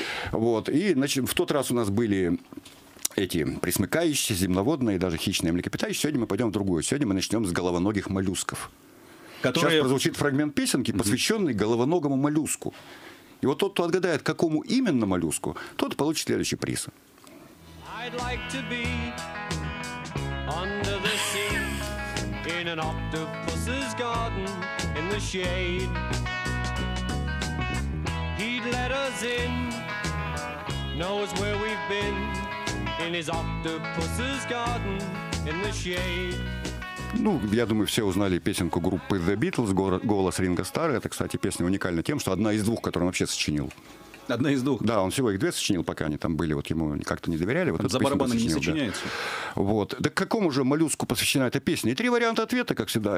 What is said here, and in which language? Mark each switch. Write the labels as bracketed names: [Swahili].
[Russian] Вот, и, значит, в тот раз у нас были... эти пресмыкающиеся, земноводные, даже хищные млекопитающие. Сегодня мы пойдем в другую. Сегодня мы начнем с головоногих моллюсков. Которые... Сейчас прозвучит фрагмент песенки, посвященный головоногому моллюску. И вот тот, кто отгадает, какому именно моллюску, тот получит следующий приз. [English] I'd like to be under the sea, in an octopus's garden, in the shade. He'd let us in, knows where we've been. In his octopus's garden, in the shade. [Russian] Ну, я думаю, все узнали песенку группы The Beatles «Голос Ринго Старра». Это, кстати, песня уникальна тем, что одна из двух, которую он вообще сочинил. Одна из двух? Да, он всего их две сочинил, пока они там были. Вот ему как-то не доверяли. Вот за барабаны не сочиняется. Да. Вот. Да к какому же моллюску посвящена эта песня? И три варианта ответа, как всегда.